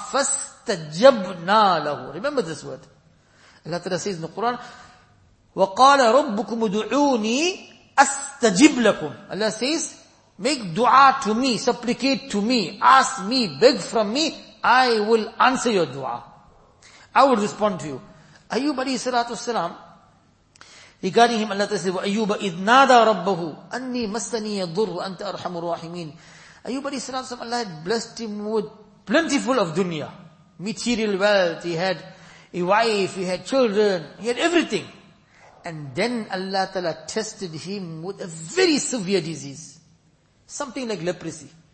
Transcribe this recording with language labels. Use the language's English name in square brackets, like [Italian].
[Arabic] فَاسْتَجَبْنَا لَهُ. [English] Remember this word. Allah Ta'ala says in the Quran, [Arabic] وَقَالَ رَبُّكُمُ دُعُونِي أَسْتَجِبْ لَكُمْ. [English] Allah says, make dua to me, supplicate to me, ask me, beg from me, I will answer your dua. I will respond to you. Ayyub alayhi salatu wasalam, regarding him, Allah says, [Arabic] وَأَيُّوبَ إِذْ نَادَى رَبَّهُ أَنِّي مَسَّنِيَ الضُّرُّ أَنْتَ أَرْحَمُ الرَّاحِمِينَ. [English] Ayyub alayhi salatu wasalam, Allah had blessed him with plentiful of dunya, material wealth, he had a wife, he had children, he had everything. And then Allah Ta'ala tested him with a very severe disease, something like leprosy.